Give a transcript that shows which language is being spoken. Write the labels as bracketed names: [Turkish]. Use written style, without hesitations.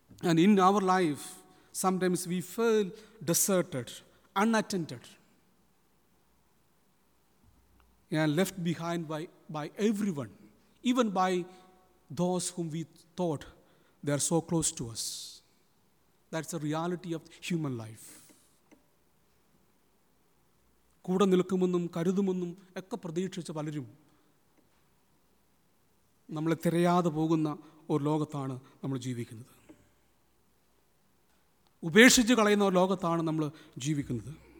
[English] And in our life sometimes we feel deserted, unattended. ഞാൻ left behind by everyone, even by those whom we thought they are so close to us. That's the reality of human life. [Malayalam] കൂടെ നിൽക്കുമെന്നും കരുതുമെന്നും ഒക്കെ പ്രതീക്ഷിച്ച പലരും നമ്മളെ തിരയാതെ പോകുന്ന ഒരു ലോകത്താണ് നമ്മൾ ജീവിക്കുന്നത്. ഉപേക്ഷിച്ച് കളയുന്ന ഒരു ലോകത്താണ് നമ്മൾ ജീവിക്കുന്നത്.